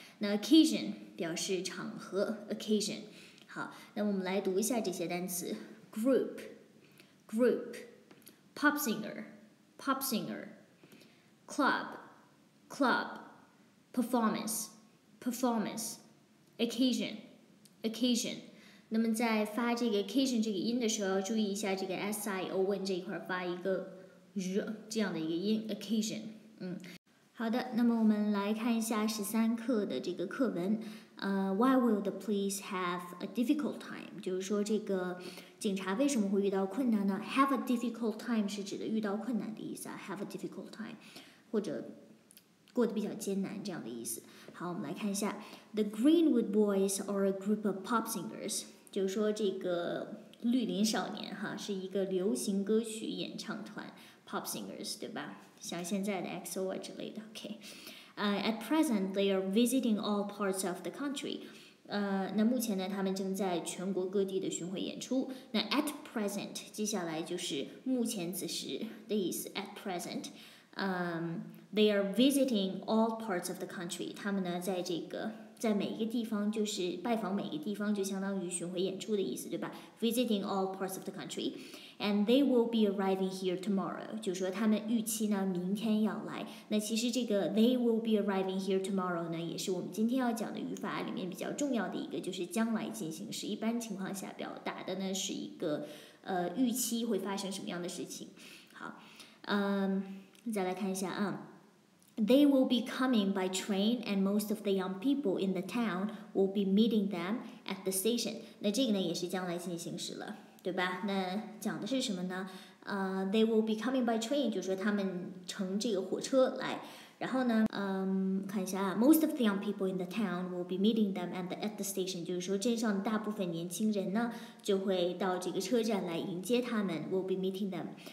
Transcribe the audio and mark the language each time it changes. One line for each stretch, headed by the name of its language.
Chinese: 那 occasion 表示场合 occasion。好，那我们来读一下这些单词 group group， pop singer pop singer， club club， performance performance， occasion occasion。那么在发这个 occasion 这个音的时候要注意一下这个 sion 这一块发一个这样的一个音 occasion。好的，那么我们来看一下十三课的这个课文。
English: Why will the police have a difficult time？
Chinese: 就是说这个警察为什么会遇到困难呢？ Have a difficult time 是指的遇到困难的意思啊，
English: have a difficult time
Chinese: 或者过得比较艰难这样的意思。好，我们来看一下
English: The Greenwood Boys are a group of pop singers，
Chinese: 就是说这个绿林少年哈是一个流行歌曲演唱团 pop singers， 对吧？像现在的 XO 啊之类的。
English: OK， at present they are visiting all parts of the country。
Chinese: 那目前呢他们正在全国各地的巡回演出。那 at present 接下来就是目前此时的意思 at present。
English: they are visiting all parts of the country，
Chinese: 他们呢在这个在每一个地方，就是拜访每一个地方，就相当于巡回演出的意思，对吧？
English: Visiting all parts of the country. And they will be arriving here tomorrow.
Chinese: 就是说他们预期呢明天要来。那其实这个
English: they will be arriving here tomorrow
Chinese: 呢，也是我们今天要讲的语法里面比较重要的一个，就是将来进行时。一般情况下表达的呢是一个预期会发生什么样的事情。好，再来看一下啊。
English: They will be coming by train and most of the young people in the town will be meeting them at the station.
Chinese: 那这个呢也是将来进行时了，对吧？那讲的是什么呢？
English: They will be coming by train，
Chinese: 就是说他们乘这个火车来。然后呢看一下
English: most of the young people in the town will be meeting them at the station，
Chinese: 就是说镇上的大部分年轻人呢就会到这个车站来迎接他们， will be meeting them。